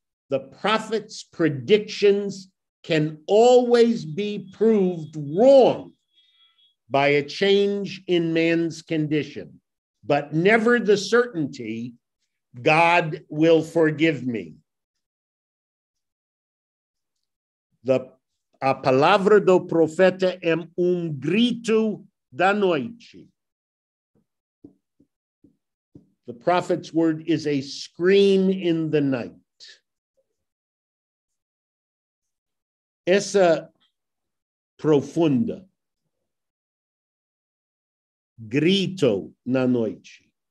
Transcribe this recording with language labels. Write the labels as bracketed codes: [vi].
[en] The prophet's predictions can always be proved wrong by a change in man's condition, but never the certainty, "God will forgive me." [pt] A palavra do profeta é grito da noite. [en] The prophet's word is a scream in the night. [pt] Essa profunda. Grito na noite.